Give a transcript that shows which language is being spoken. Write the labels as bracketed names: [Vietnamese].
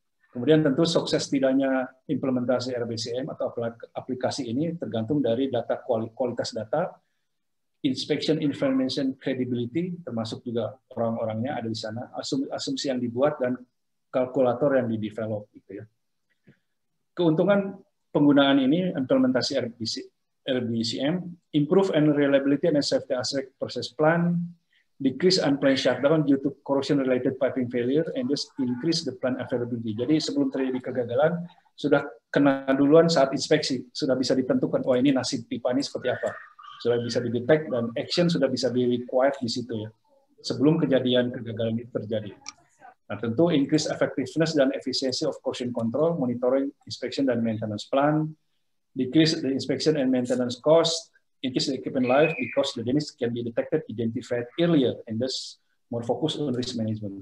[Indonesian] Kemudian tentu sukses tidaknya implementasi RBCM atau aplikasi ini tergantung dari data kualitas data, [English] inspection information credibility, [Indonesian] termasuk juga orang-orangnya ada di sana, asumsi yang dibuat dan kalkulator yang di-develop. Gitu ya. Keuntungan penggunaan ini, implementasi RBCM, [English] improve and reliability and safety aspect process plan, decrease unplanned shutdown due to corrosion-related piping failure, and just increase the plant availability. [Indonesian] Jadi sebelum terjadi kegagalan, sudah kena duluan saat inspeksi, sudah bisa ditentukan, oh ini nasib pipa ini seperti apa. Sudah bisa di-detect dan action sudah bisa di-require di situ ya, sebelum kejadian kegagalan itu terjadi. Nah, tentu [English] increase effectiveness dan efficiency of corrosion control, monitoring, inspection, dan maintenance plan, decrease the inspection and maintenance cost, increase the equipment life because the damage can be detected, identified earlier, and thus more focus on risk management.